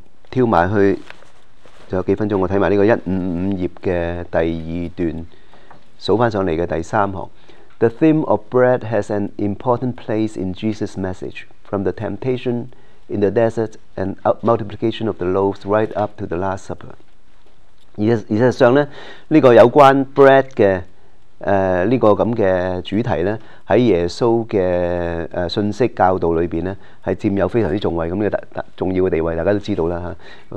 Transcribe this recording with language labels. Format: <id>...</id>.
<yue>跳埋去仲有幾分鐘，我睇埋呢個155頁嘅第二段，數翻上嚟嘅第三行。</yue> <en>The theme of bread has an important place in Jesus' message, from the temptation in the desert and multiplication of the loaves right up to the Last Supper.</en> <yue>而實上咧，呢、這個有關 bread 嘅呢、這個咁嘅主題咧，喺耶穌嘅信息教導裏邊咧，係佔有非常之重位咁嘅重要嘅地位，大家都知道啦嚇。</yue>